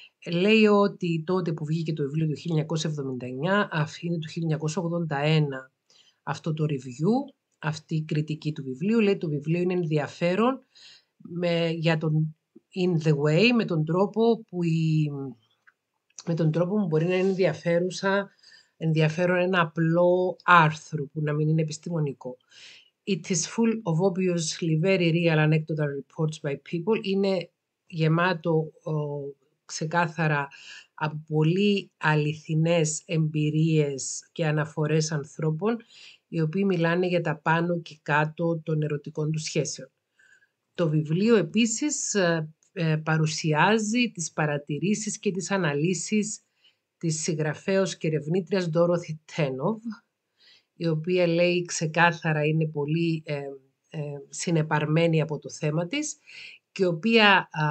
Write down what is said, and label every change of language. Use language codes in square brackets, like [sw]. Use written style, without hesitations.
[el] Λέει ότι τότε που βγήκε το βιβλίο, το 1979, αυτή είναι το 1981 αυτό το review, αυτή η κριτική του βιβλίου, λέει το βιβλίο είναι ενδιαφέρον για τον [en] in the way, [el] με τον τρόπο που μπορεί να είναι ενδιαφέρον ένα απλό άρθρο που να μην είναι επιστημονικό. [en] It is full of obviously very real anecdotal reports by people. [el] Είναι γεμάτο ξεκάθαρα από πολύ αληθινές εμπειρίες και αναφορές ανθρώπων, οι οποίοι μιλάνε για τα πάνω και κάτω των ερωτικών του σχέσεων. Το βιβλίο επίσης παρουσιάζει τις παρατηρήσεις και τις αναλύσεις της συγγραφέως και ερευνήτριας Dorothy Chernoff, η οποία λέει ξεκάθαρα είναι πολύ συνεπαρμένη από το θέμα της και η οποία